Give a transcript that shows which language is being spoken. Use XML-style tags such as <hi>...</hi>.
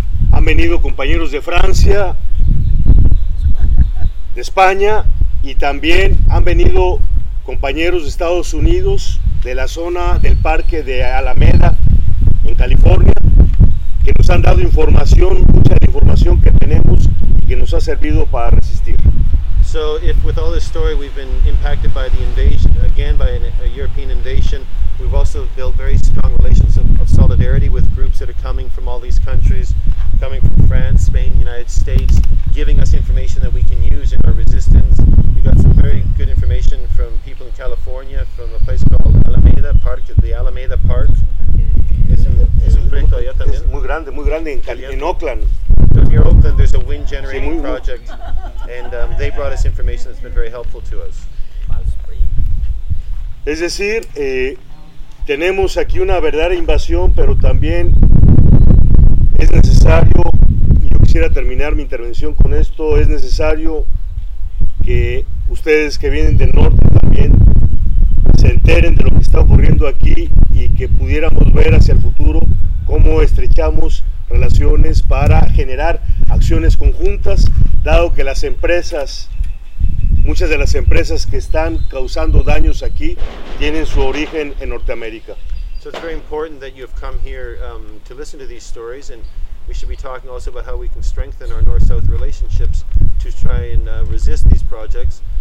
<es>Han venido compañeros de Francia, de España, y también han venido compañeros de Estados Unidos, de la zona del parque de Alameda, en California, que nos han dado información, mucha información que tenemos y que nos ha servido para resistir.</es> <en>So if with all this story we've been impacted by the invasion, again by a European invasion, we've also built very strong relations of solidarity with groups that are coming from all these countries, coming from France, Spain, United States, giving us information that we can use in our resistance. We got some very good information from people in California, from a place called Alameda Park, the Alameda Park.</en> <es>Es un proyecto allá también. Es muy grande en Oakland.</es> <en>Near Oakland, there's a wind generating project, and they brought us information that's been very helpful to us.</en> <es>Es decir, tenemos aquí una verdadera invasión, pero también es necesario, y yo quisiera terminar mi intervención con esto, es necesario que ustedes que vienen del norte también se enteren de lo que está ocurriendo aquí y que pudiéramos ver hacia el futuro cómo cómo estrechamos relaciones para generar acciones conjuntas, dado que las empresas, muchas de las empresas que están causando daños aquí, tienen su origen en Norteamérica.</es> <en>So it's very important that you have come here to listen to these stories, and we should be talking also about how we can strengthen our north-south relationships to try and resist these projects.</en>